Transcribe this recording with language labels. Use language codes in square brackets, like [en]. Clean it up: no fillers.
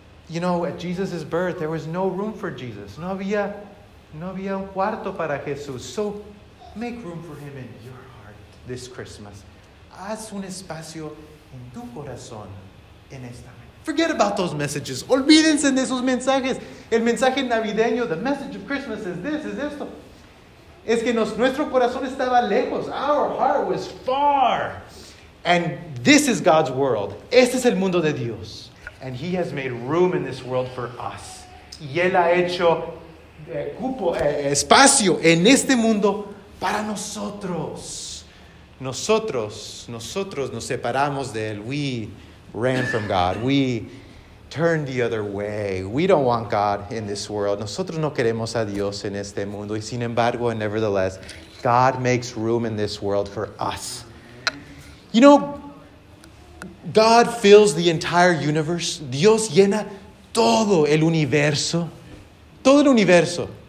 [en] You know, at Jesus' birth, there was no room for Jesus. [es] No había un cuarto para Jesús. [en] So make room for him in your heart this Christmas. [es] Haz un espacio en tu corazón en esta mañana. [en] Forget about those messages. [es] Olvídense de esos mensajes. El mensaje navideño, [en] the message of Christmas is esto. [es] Es que nuestro corazón estaba lejos. [en] Our heart was far. And this is God's world. [es] Este es el mundo de Dios. [en] And he has made room in this world for us. [es] Y él ha hecho espacio en este mundo para nosotros. Nosotros nos separamos de él. [en] We ran from God. We turn the other way. We don't want God in this world. [es] Nosotros no queremos a Dios en este mundo. Y sin embargo, [en] and nevertheless, God makes room in this world for us. You know, God fills the entire universe. [es] Dios llena todo el universo. Todo el universo.